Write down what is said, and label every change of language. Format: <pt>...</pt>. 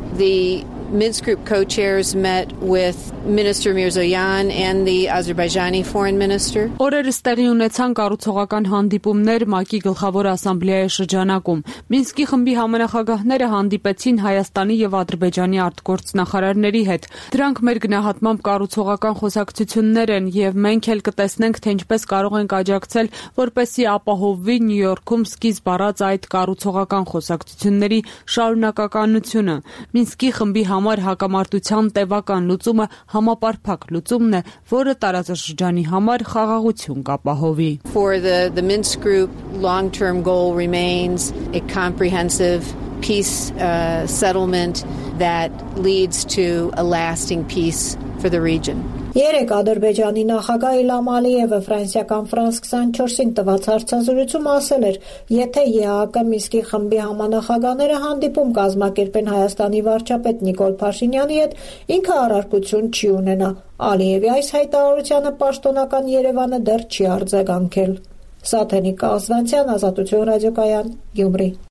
<en>The Minsk Group co-chairs met with Minister Mirzoyan and the Azerbaijani foreign minister.</en> <hy>Օրերս տեղի ունեցան կառուցողական հանդիպումներ ՄԱԿ-ի գլխավոր ասամբլեայի շրջանակում։ Մինսկի խմբի համանախագահները հանդիպեցին Հայաստանի եւ Ադրբեջանի արտգործնախարարների հետ։ Դրանք մեր գնահատմամբ կառուցողական խոսակցություններ են եւ մենք էլ կտեսնենք, թե ինչպես կարող ենք աջակցել, որպեսզի ապահովվի Նյու Յորքում սկիզբ առած այդ կառուցողական խոսակցությունների շարունակականությունը։ Մինսկի խմբի համար հակամարտության տևական լուծումը համապարփակ լուծումն է, որը տարածաշրջանի համար խաղաղություն կապահովի։</hy> <en>For the Minsk group long-term goal remains a comprehensive peace settlement that leads to a lasting peace for the region.</en> <hy>Երեկ Ադրբեջանի նախագահ Իլհամ Ալիևը ֆրանսիական France 24-ին տված հարցազրույցում ասել էր, եթե ԵԱԿ Միսկի խմբի համանախագահները հանդիպում կազմակերպեն Հայաստանի վարչապետ Նիկոլ Փաշինյանի հետ, ինքը առարկություն չի ունենա։ Ալիևի այս հայտարարությունը պաշտոնական Երևանը դեռ չի արձագանքել։ Սաթենի Կազվանցյան, Ազատություն ռադիոկայան, Գյումրի։</hy>